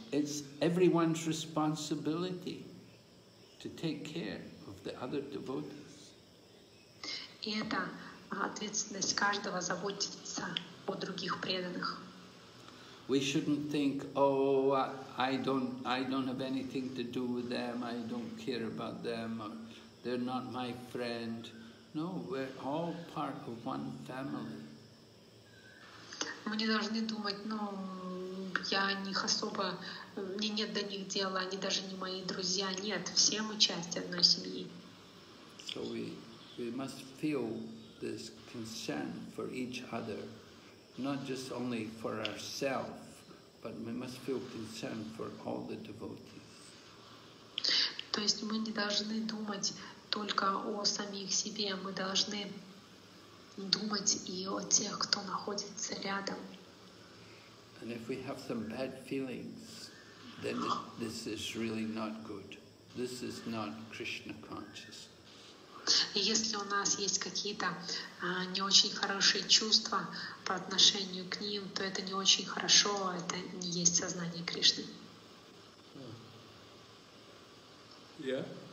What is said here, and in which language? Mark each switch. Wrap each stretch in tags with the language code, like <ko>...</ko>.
<en>It's everyone's responsibility to take care of the other devotees.</en> <ru>И это ответственность каждого заботиться о других преданных.</ru> <en>We shouldn't think, oh, I don't have anything to do with them, I don't care about them, or they're not my friend. No, we're all part of one family.</en> <ru>Мы не должны думать, ну, я них особо, мне нет до них дела, они даже не мои друзья. Нет, все мы часть одной семьи.</ru> <en>So we must feel this concern for each other, not just only for ourselves, but we must feel concern for all the devotees.</en> <ru>То есть мы не должны думать только о самих себе, мы должны думать и о тех, кто находится рядом.</ru> <en>And if we have some bad feelings, then this is really not good. This is not Krishna consciousness.</en> <ru>И если у нас есть какие-то не очень хорошие чувства по отношению к ним, то это не очень хорошо, это не есть сознание Кришны.</ru> <en>Yeah.</en>